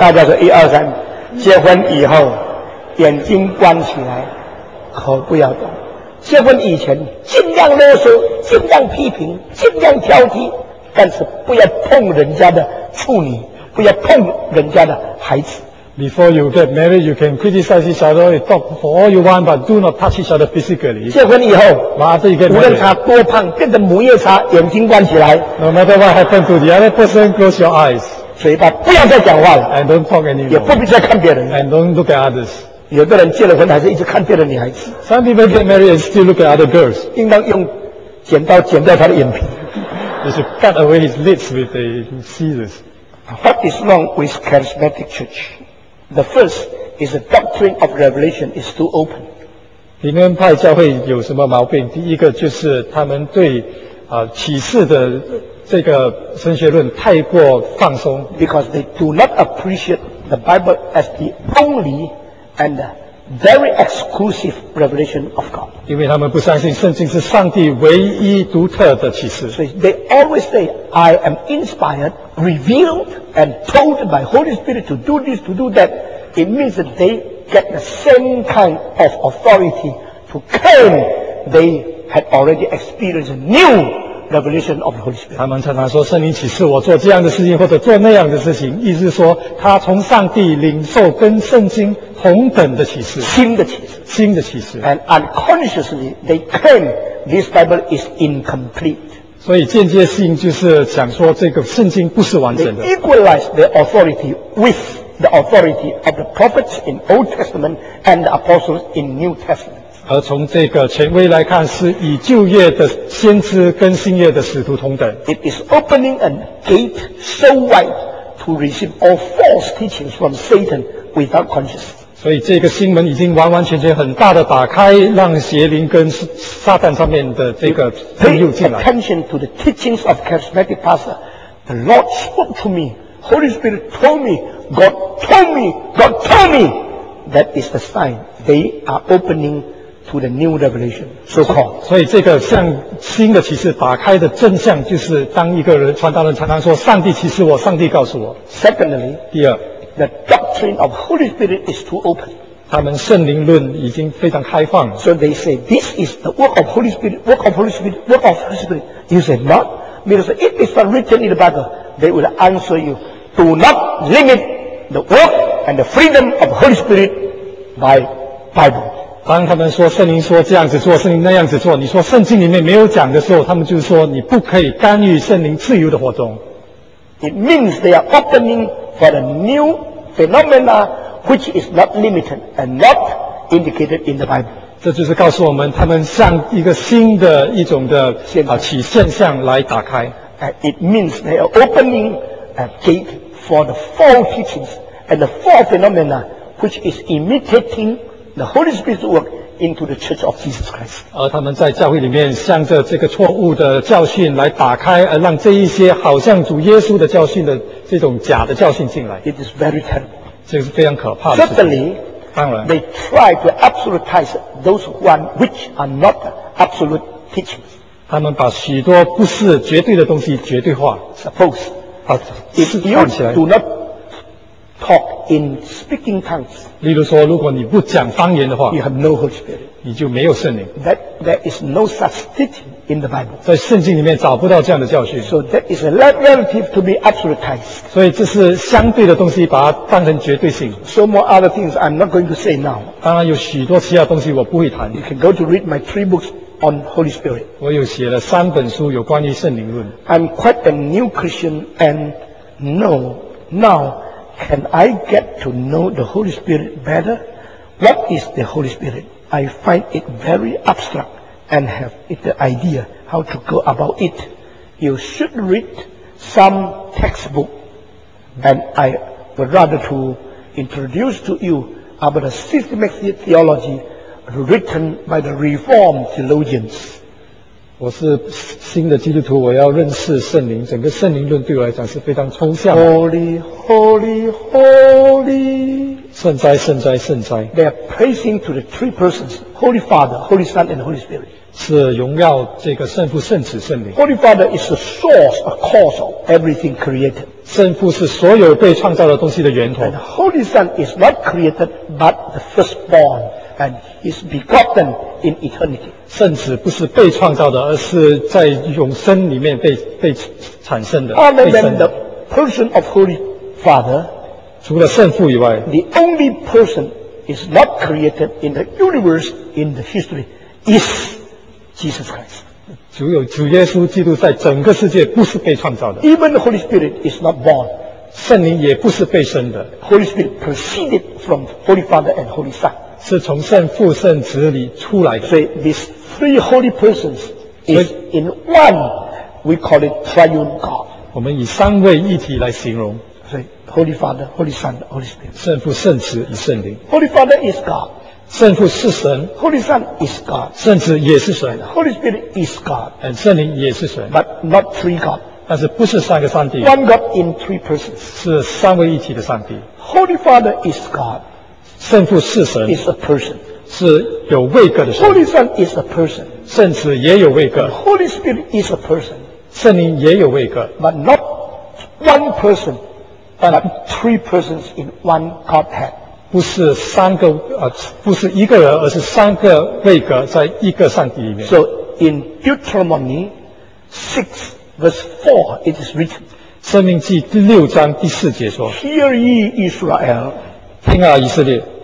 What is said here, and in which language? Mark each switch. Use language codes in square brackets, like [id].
[zh] 大家说一二三。结婚以后，眼睛关起来，口不要动。结婚以前，尽量啰嗦，尽量批评，尽量挑剔，但是不要碰人家的处女，不要碰人家的孩子。 [en] Before you get married, you can criticize each other, talk for all you want, but do not touch each other physically. [zh] 结婚以后， [en] but after you get married, [zh] 无论他多胖，变成母夜叉，眼睛关起来。 [en] No matter what happened to the other person, close your eyes. [zh] 嘴巴不要再讲话了 [en] ，and don't talk anymore， [zh] 也不必再看别人 [en] ，and don't look at others。 [zh] 有的人结了婚还是一直看别的女孩子 [en] ，some people get married and still look at other girls。 [zh] 应当用剪刀剪掉他的眼皮 [en] ，you should cut away his lips with the scissors。 What is wrong with charismatic church? The first is the doctrine of revelation is too open。 [zh] 灵恩派教会有什么毛病？第一个就是他们对启示的。这个神学论太过放松 [en] ，because they do not appreciate the Bible as the only and very exclusive revelation of God. [zh] 因为他们不相信圣经是上帝唯一独特的启示。 [en] So they always say, "I am inspired, revealed, and told by Holy Spirit to do this, to do that." It means that they get the same kind of authority to claim they had already experienced new. Revelation of the Holy Spirit. [zh] 他们常常说圣灵启示我做这样的事情或者做那样的事情，意思是说他从上帝领受跟圣经同等的启示，新的启示，新的启示。 [en] And unconsciously they claim this Bible is incomplete. [zh] 所以间接性就是想说这个圣经不是完整的。 [en] They equalize the authority with the authority of the prophets in Old Testament and the apostles in New Testament. [zh] 而从这个权威来看，是以旧约的先知跟新约的使徒同等。 [en] It is opening a gate so wide to receive all false teachings from Satan without consciousness. [zh] 所以这个心门已经完完全全很大的打开，让邪灵跟撒旦上面的这个朋友进来。 [en] Pay attention to the teachings of charismatic pastor. The Lord spoke to me. Holy Spirit told me. God told me. God told me. That is the sign. They are opening to the new revelation. So called. [zh] 所以这个像新的启示打开的真相，就是当一个人传道人常常说，上帝启示我，上帝告诉我。 [en] Secondly, [zh] 第二 [en] the doctrine of Holy Spirit is too open. [zh] 他们圣灵论已经非常开放了。 [en] So they say this is the work of Holy Spirit, work of Holy Spirit, work of Holy Spirit. You say not, because it is not written in the Bible. They will answer you. Do not limit the work and the freedom of Holy Spirit by Bible. [zh] 当他们说圣灵说这样子做，圣灵那样子做，你说圣经里面没有讲的时候，他们就说你不可以干预圣灵自由的活动。 [en] It means they are opening for a new phenomena. Which is not limited and not indicated in the Bible. [zh] 这就是告诉我们，他们向一个新的一种的启现象来打开。 [en] It means they are opening a gate for the four teachings and the four phenomena, which is imitating the Holy Spirit's work into the Church of Jesus Christ. [zh] 而他们在教会里面向着这个错误的教训来打开，而让这一些好像主耶稣的教训的这种假的教训进来。 [en] It is very terrible. [zh] 这个是非常可怕的事情。 [en] Certainly, [zh] 当然 [en] they try to absolutize those who are, which are not absolute teachings. [zh] 他们把许多不是绝对的东西绝对化。 [en] Suppose, if you do not talk in speaking tongues, [zh] 例如说，如果你不讲方言的话， [en] you have no Holy Spirit. [zh] 你就没有圣灵。 [en] That there is no such teaching in the Bible. [zh] 在圣经里面找不到这样的教训。 [en] So that is a relative to be absolutized. [zh] 所以这是相对的东西，把它当成绝对性。 [en] So more other things I'm not going to say now. [zh] 当然有许多其他东西我不会谈。 [en] You can go to read my three books on Holy Spirit. [zh] 我有写了三本书有关于圣灵论。 [en] I'm quite a new Christian and know now. Can I get to know the Holy Spirit better? What is the Holy Spirit? I find it very abstract and have the idea how to go about it. You should read some textbook, and I would rather to introduce to you about a systematic theology written by the Reformed theologians. [zh] 我是新的基督徒，我要认识圣灵。整个圣灵论对我来讲是非常抽象的。 [en] Holy, holy, holy. [zh] 圣哉，圣哉，圣哉。 [en] They are praising to the three persons: Holy Father, Holy Son, and Holy Spirit. [zh] 是荣耀这个圣父、圣子、圣灵。 [en] Holy Father is the source, a cause of everything created. [zh] 圣父是所有被创造的东西的源头。 [en] And Holy Son is not created, but the firstborn. And is begotten in eternity. [zh] 圣子不是被创造的，而是在永生里面被产生的。 [en] Other than the person of Holy Father, [zh] 除了圣父以外 [en] ，the only person is not created in the universe in the history is Jesus Christ. [zh] 主耶稣基督在整个世界不是被创造的。 [en] Even the Holy Spirit is not born. [zh] 圣灵也不是被生的。 [en] Holy Spirit proceeded from Holy Father and Holy Son. [zh] 是从圣父圣子里出来的。所以 [en] these three holy persons is in one, we call it triune God. [zh] 我们以三位一体来形容。所以 [en] Holy Father, Holy Son, Holy Spirit. [zh] 圣父圣子与圣灵。 [en] Holy Father is God. [zh] 圣父是神。 [en] Holy Son is God. [zh] 圣子也是神。 [en] Holy Spirit is God. And [zh] 圣灵也是神。 [en] But not three God. [zh] 但是不是三个上帝。 [en] One God in three persons. [zh] 是三位一体的上帝。 [en] Holy Father is God. [zh] 圣父是神 [en] is a person. [zh] 是有位格的神 [en] Holy Son is a person. [zh] 圣子也有位格 [en] Holy Spirit is a person. [zh] 圣灵也有位格 [en] But not one person but three persons in one Godhead [zh] 不是三个、不是一个人而是三个位格在一个上帝里面 [en] So in Deuteronomy 6 verse 4 it is written [zh] 生命记第六章第四节说 [en] Hear ye Israel [zh] 听啊以色列